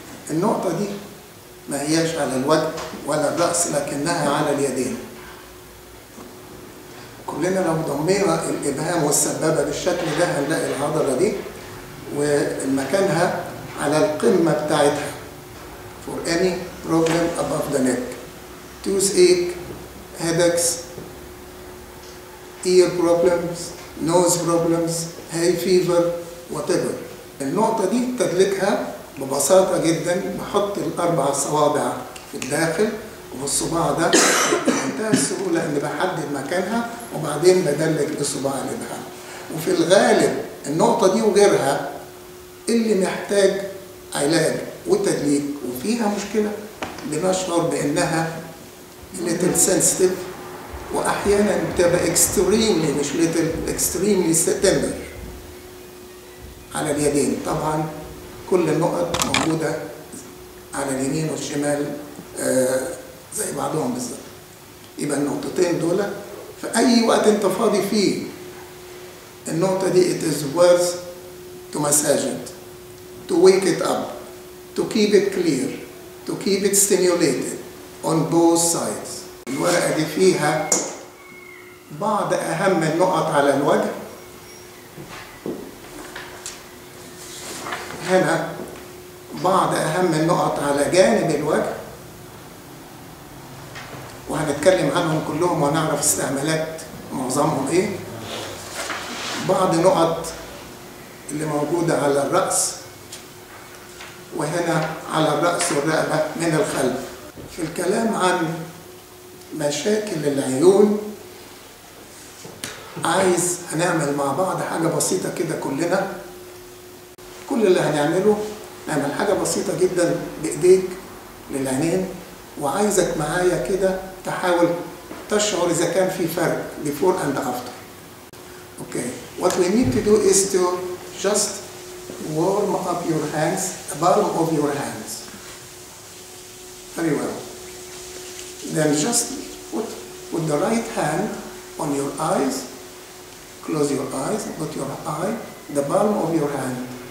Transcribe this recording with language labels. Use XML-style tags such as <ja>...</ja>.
<ar>النقطة دي ما هيش على الوجه ولا الرأس لكنها على اليدين. كلنا لو ضمينا الابهام والسبابة بالشكل ده هنلاقي العضلة دي ومكانها على القمة بتاعتها.</ar> <en>For any problem above the neck. Toothache, headaches, ear problems, nose problems, hay fever وتبر.</en> <ar>النقطة دي تدلكها ببساطة جدا، بحط الأربع صوابع في الداخل والصباع ده بمنتهى السهولة اللي بحدد مكانها وبعدين بدلك الصباع اللي بها. وفي الغالب النقطة دي وغيرها اللي محتاج علاج وتدليك وفيها مشكلة بنشعر بأنها ليتل سنسيتيف، وأحيانا بتبقى اكستريملي مش ليتل اكستريملي ستندر على اليدين. طبعا كل النقط موجودة على اليمين والشمال زي بعضهم بالظبط. يبقى النقطتين دول في اي وقت انت فاضي فيه النقطة دي</ar> <en>it is worth to massage it, to wake it up, to keep it clear, to keep it stimulated on both sides.</en> <ar>الورقة دي فيها بعض اهم النقط على الوجه. هنا بعض أهم النقط على جانب الوجه وهنتكلم عنهم كلهم ونعرف استعمالات معظمهم إيه. بعض نقط اللي موجودة على الرأس، وهنا على الرأس والرقبة من الخلف. في الكلام عن مشاكل العيون عايز هنعمل مع بعض حاجة بسيطة كده. كلنا كل اللي هنعمله نعمل حاجة بسيطة جدا بإيديك للعينين، وعايزك معايا كده تحاول تشعر إذا كان في فرق</ar> <en>before and after. Okay. What we need to do is to just warm up your hands, the bottom of your hands. Very well. Then just put the right hand on your eyes. Close your eyes, put your eye, the bottom of your hand.</en>